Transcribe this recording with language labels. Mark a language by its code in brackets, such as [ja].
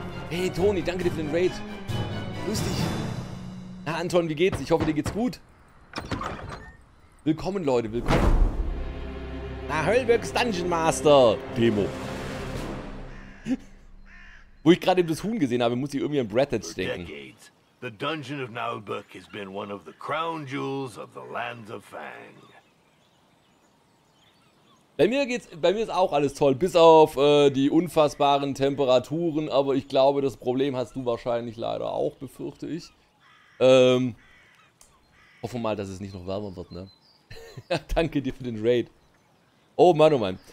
[de] Hey, Toni, danke dir für den Raid. Grüß dich. Na, Anton, wie geht's? Ich hoffe, dir geht's gut. Willkommen, Leute, willkommen. Na, Höllbergs Dungeon Master Demo. Wo ich gerade eben das Huhn gesehen habe, muss ich irgendwie an Breathed [en] For [de] denken. [en] decades, the Dungeon of Naulberg has been one of the crown jewels of the Lands of Fang. [de] Bei mir ist auch alles toll, bis auf die unfassbaren Temperaturen, aber ich glaube, das Problem hast du wahrscheinlich leider auch, befürchte ich. Hoffen wir mal, dass es nicht noch wärmer wird, ne? Danke dir für den Raid. Oh Mann, oh Mann.